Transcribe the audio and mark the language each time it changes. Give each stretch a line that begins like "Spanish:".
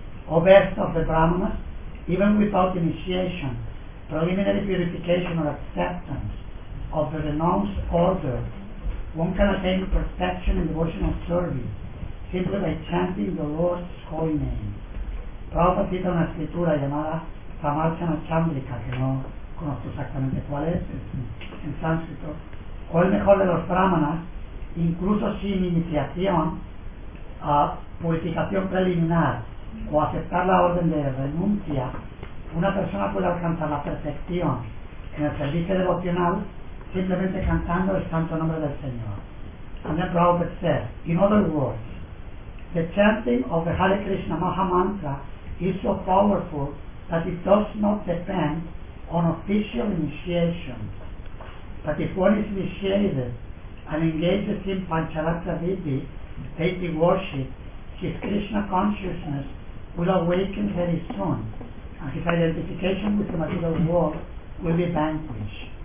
English: O best of the Brahmanas, even without initiation, preliminary purification or acceptance of the renounced order, one can attain perfection in devotional service simply by chanting the Lord's holy name.
Spanish: Prabhupada cita una escritura llamada Ramarchana Chandrika, que no conozco exactamente cuál es, en sánscrito, o el mejor de los brahmanas, incluso sin iniciación, purificación preliminar, o aceptar la orden de renuncia, una persona puede alcanzar la perfección en el servicio devocional simplemente cantando el santo nombre del Señor.
English: And then Prabhupada said, in other words, the chanting of the Hare Krishna Maha Mantra is so powerful that it does not depend on official initiation. But if one is initiated and engages in Pancharatra Vidhi, deity worship, his Krishna consciousness will awaken very soon, and his identification with the material world will be vanquished.